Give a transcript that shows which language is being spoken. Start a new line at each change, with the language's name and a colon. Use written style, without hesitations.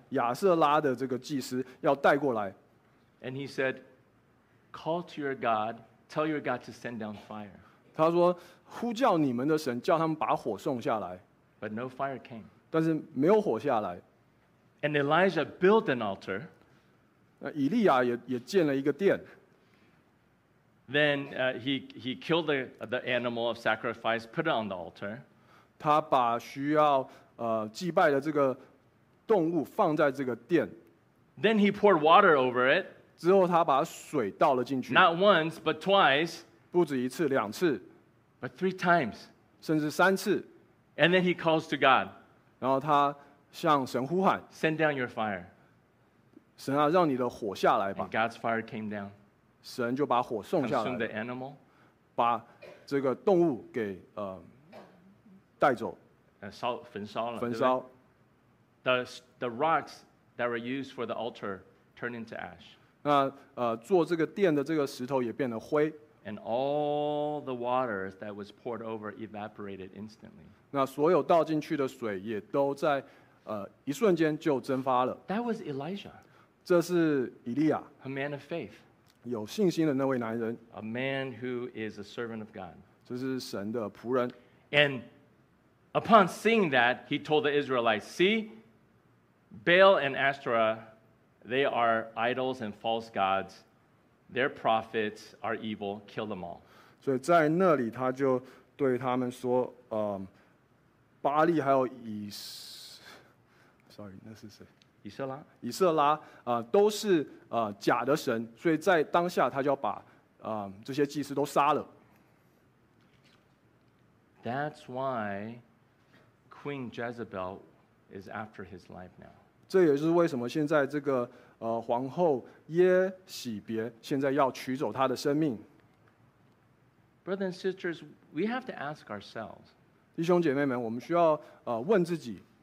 Chinese: 亚瑟拉的这个祭司要带过来。
English: And he said, call to your God, tell your God to send down fire.
Chinese: 他说，呼叫你们的神，叫他们把火送下来。
English: But no fire came.
Chinese: 但是没有火下来。
English: And Elijah built an altar.
Chinese: 以利亚也建了一个殿。
English: Then he killed the animal of sacrifice, put it on the altar.
Chinese: 他把需要祭拜的这个动物放在这个殿。
English: Then he poured water over it.
Chinese: 之后他把水倒了进去。
English: Not once, but twice.
Chinese: 不止一次，两次。
English: But three times.
Chinese: 甚至三次。
English: And then he calls to God.
Chinese: 然后他向神呼喊
English: Send down your fire.
Chinese: 神啊，让你的火下来吧。
English: And God's fire came down.
Chinese: 神就把火送下来了。
English: Consumed the animal.
Chinese: 把这个动物给带走。烧焚烧了。焚烧。
English: The rocks that were used for the altar turned into ash.
Chinese: 那做这个殿的这个石头也变得灰。
English: And all the water that was poured over evaporated instantly.
Chinese: 那所有倒进去的水也都在一瞬间就蒸发了。
English: That was Elijah.
Chinese: 这是以利亚。
English: A man of faith.
Chinese: 有信心的那位男人。
English: A man who is a servant of God.
Chinese: 这是神的仆人。
English: And upon seeing that, he told the Israelites, "See, Baal and Ashtoreth, they are idols and false gods. Their prophets are evil. Kill them all."
Chinese: 所以在那里，他就对他们说，巴利还有以斯。
English: Sorry,
Chinese: 那是谁？以色拉，以色拉都是假的神，所以在当下他就要把这些祭司都杀了。
English: That's why Queen Jezebel is after his life now.
Chinese: 这也是为什么现在这个皇后耶洗别现在要取走他的生命。
English: Brothers and sisters, we have to ask ourselves.
Chinese: 弟兄姐妹们，我们需要问自己。